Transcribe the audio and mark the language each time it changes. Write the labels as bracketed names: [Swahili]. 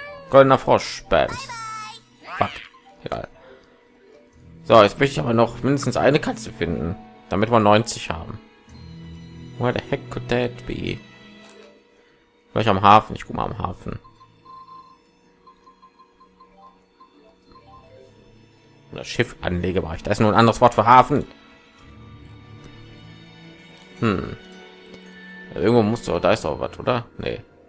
[German] Goldener Frosch, bam. Fuck, egal. So, jetzt möchte ich aber noch mindestens eine Katze finden, damit wir 90 haben. [English] Where the heck could that be? [German] Vielleicht am Hafen, ich guck mal am Hafen. Das Schiff anlege war ich. Da ist nur ein anderes Wort für Hafen. Irgendwo muss doch, da ist doch was, oder? Nee.